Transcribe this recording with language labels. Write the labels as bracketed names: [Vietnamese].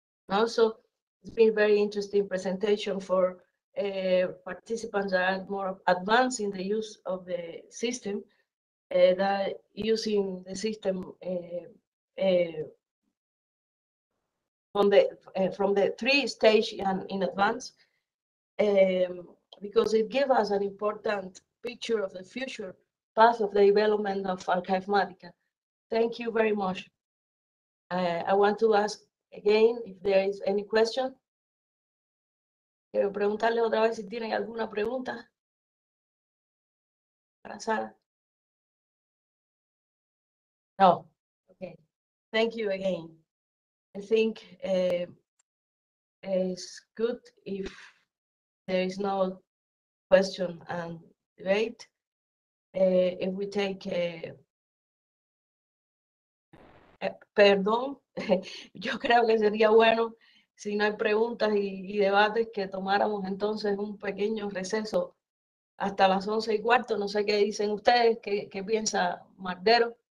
[English] Also, it's been a very interesting presentation for participants that are more advanced in the use of the system, that using the system from the three stage and in advance, because it gives us an important picture of the future path of the development of Acasmática. Thank you very much. I want to ask again if there is any question. [Spanish] Quiero preguntarle otra vez si tienen alguna pregunta para Sara. [English] No. Okay. Thank you again. I think it's good if there is no question and debate. If we take [Spanish] perdón, yo creo que sería bueno, si no hay preguntas y debates, que tomáramos entonces un pequeño receso hasta las 11:15. No sé qué dicen ustedes, qué piensa Mardero.